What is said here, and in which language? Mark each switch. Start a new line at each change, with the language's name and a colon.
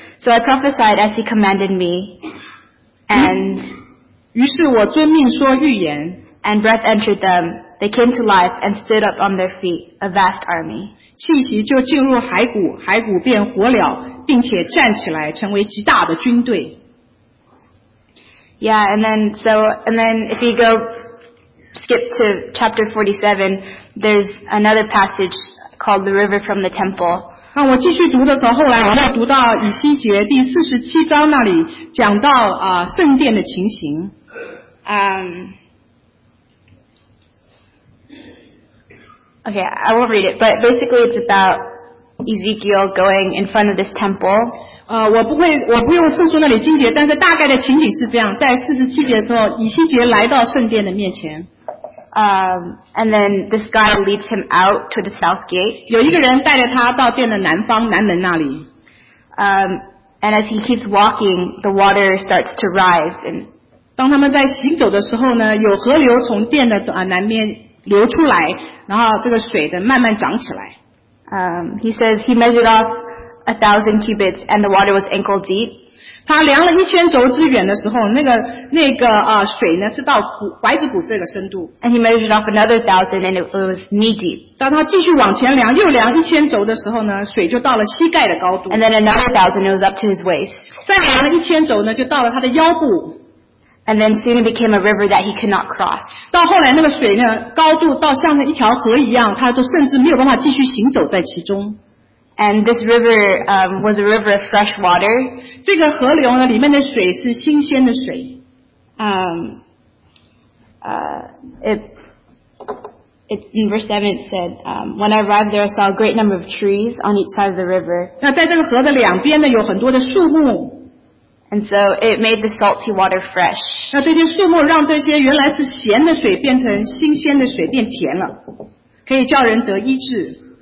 English: So I prophesied as he commanded me, and
Chinese: 于是我遵命说预言。
English: And breath entered them. They came to life and stood up on their feet, a vast army.
Chinese: 气息就进入骸骨，骸骨便活了，并且站起来，成为极大的军队。
English: Yeah, and then if you go skip to chapter 47, there's another passage called the river from the temple.
Chinese: 那我继续读的时候，后来我又读到以西结第47章那里，讲到圣殿的情形。
English: Okay, I won't read it, but basically it's about Ezekiel going in front of this temple.
Chinese: 我不用复述那里经节，但是大概的情景是这样，在47节的时候，以西结来到圣殿的面前。
English: And then this guy leads him out to the south gate.
Chinese: 有一个人带着他到殿的南方南门那里。
English: And as he keeps walking, the water starts to rise. And
Chinese: 当他们在行走的时候呢，有河流从殿的南面流出来。然后这个水的慢慢涨起来。
English: He says he measured off 1,000 cubits and the water was ankle deep.
Chinese: 他量了1,000轴之远的时候，那个水呢是到踝子骨这个深度。
English: And he measured off another 1,000 and it was knee deep.
Chinese: 当他继续往前量，又量1,000轴的时候呢，水就到了膝盖的高度。
English: And then another 1,000 it was up to his waist.
Chinese: 再量了1,000轴呢，就到了他的腰部。
English: And then soon it became a river that he could not cross.
Chinese: 到后来那个水呢，高度到像一条河一样，他都甚至没有办法继续行走在其中。
English: And this river was a river of fresh water.
Chinese: 这个河流呢，里面的水是新鲜的水。
English: In verse 7 it said, when I arrived there, I saw a great number of trees on each side of the river.
Chinese: 那在这个河的两边呢，有很多的树木。
English: And so it made the salty water fresh.
Chinese: 那这些树木让这些原来是咸的水变成新鲜的水，变甜了，可以叫人得医治。